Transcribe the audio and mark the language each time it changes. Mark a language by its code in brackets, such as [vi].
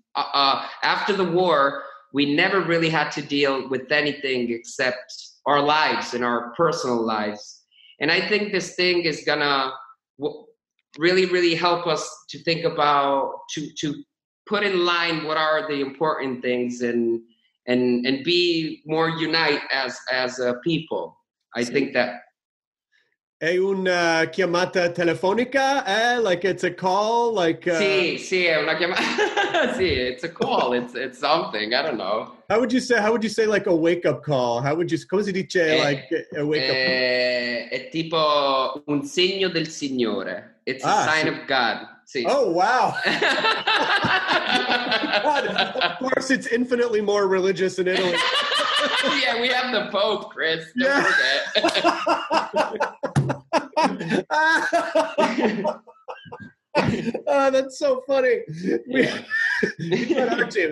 [en] After the war, we never really had to deal with anything except our lives and our personal lives. And I think this thing is gonna really, really help us to think about, to put in line what are the important things and be more unite as a people. I think that. [it] È una chiamata telefonica? [en] Like it's a call? [it] Sì, è una chiamata. Sì, [en] it's a call. It's something. I don't know. How would you say like a wake-up call? How would you, come si dice like a wake-up call? [it] È tipo un segno del Signore. [en] It's a sign of God. See. Oh, wow. God, of course, it's infinitely more religious in Italy. Yeah, we have the Pope, Chris. Don't forget. Oh, that's so funny. He's on our team.